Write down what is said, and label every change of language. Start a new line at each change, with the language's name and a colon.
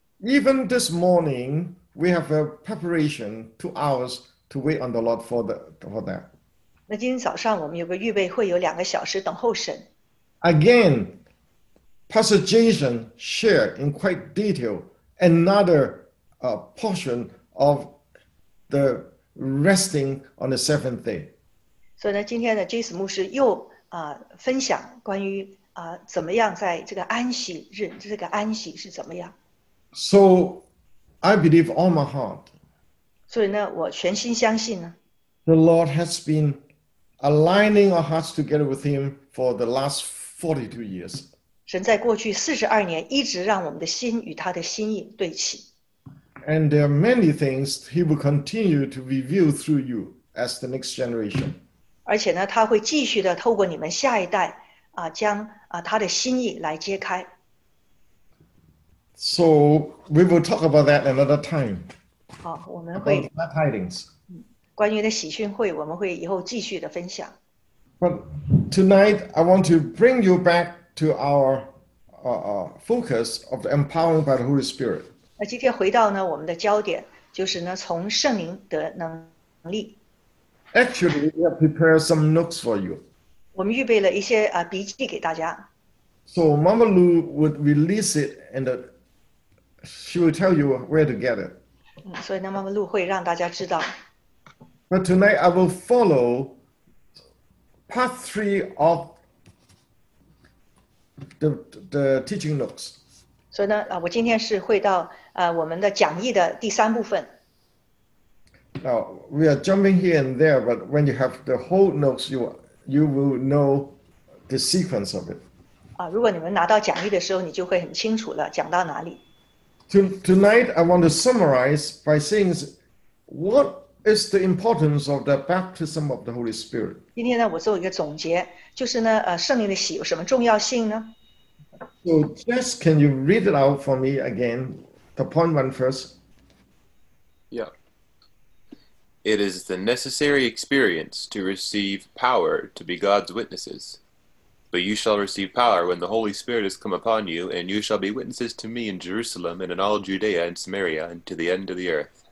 English: Even this morning, we have a preparation, 2 hours, to wait on the Lord for that.
Chinese: 那今天早上我们有个预备会有2个小时等候神。
English: Again, Pastor Jason shared in quite detail another portion of the resting on the seventh day.
Chinese: 所以呢,今天呢, Jason牧师又, 分享关于, 怎么样在这个安息日, 这个安息是怎么样。
English: So, I believe all my heart.
Chinese: 所以呢, 我全心相信呢,
English: the Lord has been aligning our hearts together with Him for the last 42 years.
Chinese: 神在过去42年, 一直让我们的心与他的心意对齐。
English: And there are many things He will continue to reveal through you as the next generation.
Chinese: 而且呢, 他会继续地透过你们下一代, 将, 他的心意来揭开。
English: So we will talk about that another time.
Chinese: 好,我们会,
English: about the glad tidings.
Chinese: 关于的喜讯会,我们会以后继续的分享。
English: But tonight, I want to bring you back to our focus of the empowering by the Holy Spirit.
Chinese: 那今天回到呢, 我们的焦点, 就是呢, 从圣灵得能力。
English: Actually, we have prepared some notes for you.
Chinese: 我们预备了一些, 笔记给大家。
English: So Mama Lou would release it in the She will tell you where to get it.
Chinese: 所以那么路会让大家知道。
English: But tonight I will follow part three of the teaching notes.
Chinese: 所以呢, 我今天是会到, 我们的讲义的第三部分。
English: Now, we are jumping here and there, but when you have the whole notes, you will know the sequence of it.
Chinese: 如果你们拿到讲义的时候, 你就会很清楚了, 讲到哪里。
English: Tonight, I want to summarize by saying, what is the importance of the baptism of the Holy Spirit?
Chinese: 今天呢, 我做一个总结, 就是呢, 圣灵的洗有什么重要性呢?
English: So, Jess, can you read it out for me again, the point one first? Yeah. It is the necessary experience to receive power to be God's witnesses. But you shall receive power when the Holy Spirit has come upon you, and you shall be witnesses to me in Jerusalem and in all Judea and Samaria and to the end of the earth.